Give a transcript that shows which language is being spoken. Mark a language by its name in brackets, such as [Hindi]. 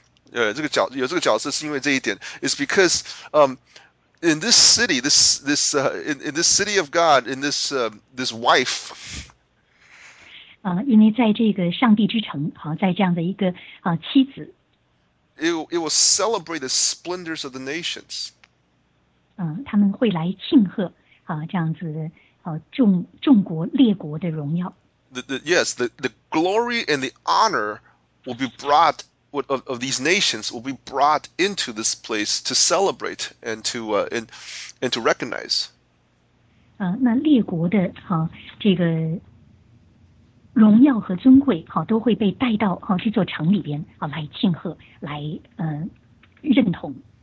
[Chinese] 这个角色是因为这一点。 [English] It's because in this city, in this city of God, in this this wife. [Chinese] 因为在这个上帝之城，在这样的一个妻子。 [English] It will celebrate the splendors of the nations. [Chinese] 他们会来庆贺这样子众国列国的荣耀。 [English] The glory and the honor will be brought of these nations will be brought into this place to celebrate and to recognize. [Chinese] 那列国的这个荣耀和尊贵都会被带到这座城里边来庆贺来认同。